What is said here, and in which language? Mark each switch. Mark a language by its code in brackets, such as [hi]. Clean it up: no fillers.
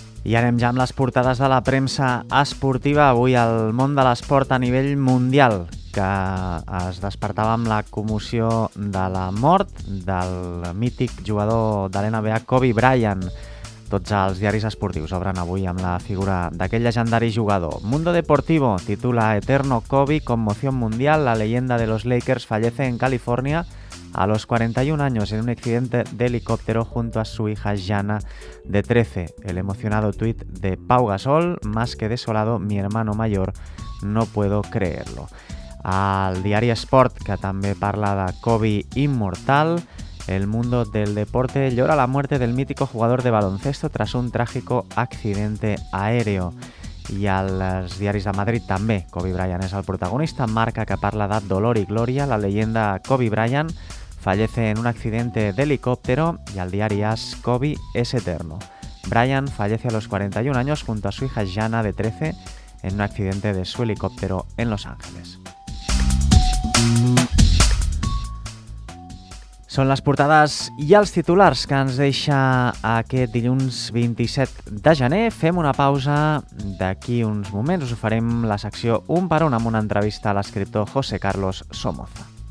[ca] I anem ja amb les portades de la premsa esportiva. Avui el món de l'esport a nivell mundial, que es despertava amb la commoció de la mort del mític jugador de l'NBA, Kobe Bryant. Tots els diaris esportius obren avui amb la figura d'aquell legendari jugador. [es] Mundo Deportivo titula Eterno Kobe, conmoción mundial, la leyenda de los Lakers fallece en California a los 41 años en un accidente de helicóptero junto a su hija Jana, de 13. El emocionado tuit de Pau Gasol: más que desolado, mi hermano mayor, no puedo creerlo. [ca] Al diari Sport, que també parla de Kobe [es] inmortal: el mundo del deporte llora la muerte del mítico jugador de baloncesto tras un trágico accidente aéreo. [ca] I als diaris de Madrid també, Kobe Bryant és el protagonista. [es] Marca, [ca] que parla de dolor i glòria: [es] la leyenda Kobe Bryant fallece en un accidente de helicóptero. [ca] I al diari [es] AS, Kobe es eterno. Bryant fallece a los 41 años junto a su hija Jana, de 13, en un accidente de su helicóptero en Los Ángeles. [ca] Són les portades i els titulars que ens deixa aquest dilluns 27 de gener. Fem una pausa. D'aquí uns moments us oferim la secció Un per un, amb una entrevista a l'escriptor José Carlos Somoza.